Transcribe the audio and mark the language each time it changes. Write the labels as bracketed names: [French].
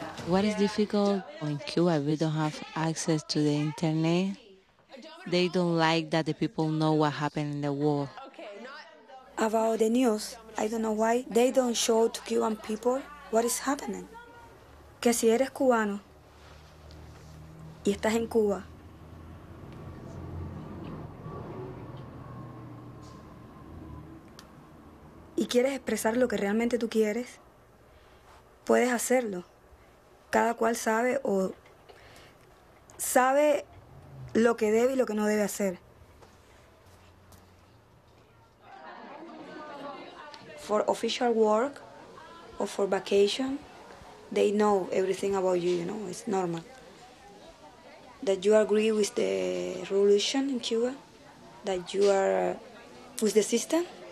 [English] What is difficult in Cuba, we don't have access to the internet. They don't like that the people know what happened in the war. About the news, I don't know why they don't show to Cuban people what is happening. [Spanish] Que si eres cubano y estás en Cuba, y quieres expresar lo que realmente tú quieres, puedes hacerlo. Cada cual sabe lo que debe y lo que no debe hacer. [English] For official work or for vacation, they know everything about you, you know, it's normal. That you agree with the revolution in Cuba, that you are with the system.